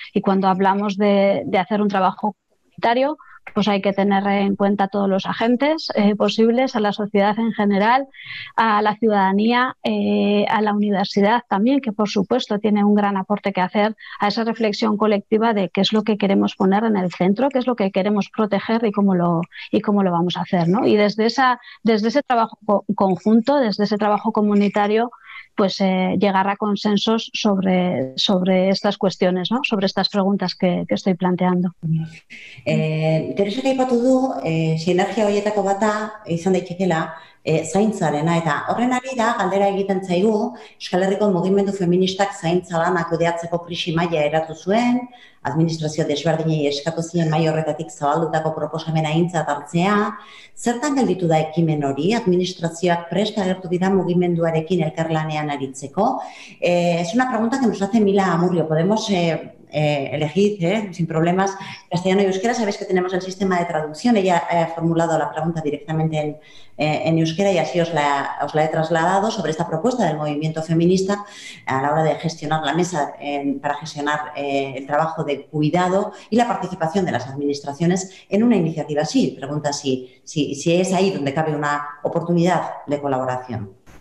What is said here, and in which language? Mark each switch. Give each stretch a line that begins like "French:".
Spanish: Y cuando hablamos de hacer un trabajo comunitario, pues hay que tener en cuenta a todos los agentes posibles, a la sociedad en general, a la ciudadanía, a la universidad también, que por supuesto tiene un gran aporte que hacer a esa reflexión colectiva de qué es lo que queremos poner en el centro, qué es lo que queremos proteger y cómo lo vamos a hacer, ¿no? Y desde ese trabajo conjunto, desde ese trabajo comunitario, pues llegar a consensos sobre estas cuestiones, ¿no? Sobre estas preguntas que estoy planteando.
Basque: Teresa, aipatu du, sinergia horietako bata izan daitekeela zaintzarena, eta horren ari da galdera egiten zaigu, Euskal Herriko mugimendu feministak zaintza lanak kudeatzeko krisi maila eratu zuen, administrazio desberdinei eskatu zien mai horretatik zabaldutako proposamena aintzat hartzea, zertan gelditu da ekimen hori, administrazioak prest agertu dira mugimenduarekin elkarlanean aritzeko?
Spanish: Es una pregunta que nos hace Mila Amurrio, podemos elegir sin problemas castellano y euskera, sabéis que tenemos el sistema de traducción, ella ha formulado la pregunta directamente en euskera y así os la he trasladado sobre esta propuesta del movimiento feminista a la hora de gestionar la mesa para gestionar el trabajo de cuidado y la participación de las administraciones en una iniciativa así, pregunta si es ahí donde cabe una oportunidad de colaboración.